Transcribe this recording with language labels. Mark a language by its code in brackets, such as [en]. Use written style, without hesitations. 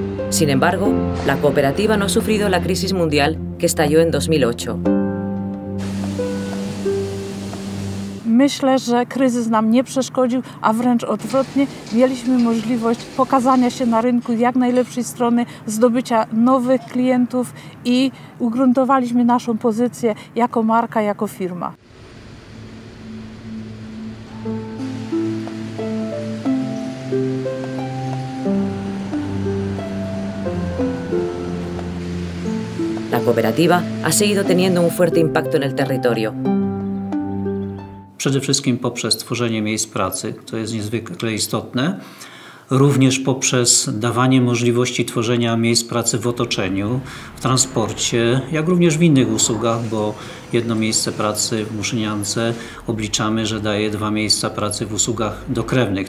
[es] Sin embargo, la cooperativa no ha sufrido la crisis mundial que estalló en 2008. [pl] myślę, że kryzys nam nie przeszkodził, a wręcz odwrotnie, mieliśmy możliwość pokazania się na rynku jak najlepszej strony, zdobycia nowych klientów i ugruntowaliśmy naszą pozycję jako marka, jako firma. [es] La cooperativa ha seguido teniendo un fuerte impacto en el territorio. [pl] Przede wszystkim poprzez tworzenie miejsc pracy, to jest niezwykle istotne. Również poprzez dawanie możliwości tworzenia miejsc pracy w otoczeniu, w transporcie, jak również w innych usługach, bo jedno miejsce pracy w Muszyniance obliczamy, że daje dwa miejsca pracy w usługach dokrewnych.